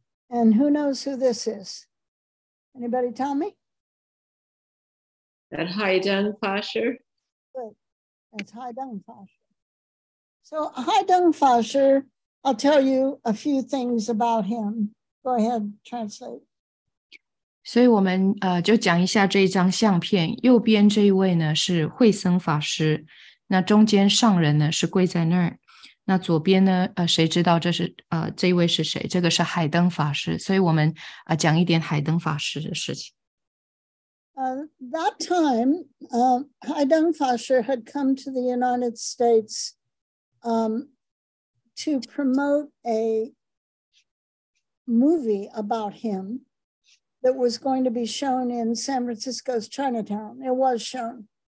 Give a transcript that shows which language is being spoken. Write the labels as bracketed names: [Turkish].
[English] And who knows who this is? Anybody tell me? That Haidong Fasher. Good. That's Haidong Fasher. So Haidong Fasher, I'll tell you a few things about him. Go ahead, translate. [Chinese] 所以我们就讲一下这一张相片。右边这一位呢是慧僧法师，那中间上人呢是跪在那儿，那左边呢谁知道这是这一位是谁？这个是海灯法师。所以我们讲一点海灯法师的事情。 [English] That time, Haidong Fasher had come to the United States, to promote a movie about him. That was going to be shown in San Francisco's Chinatown. It was shown.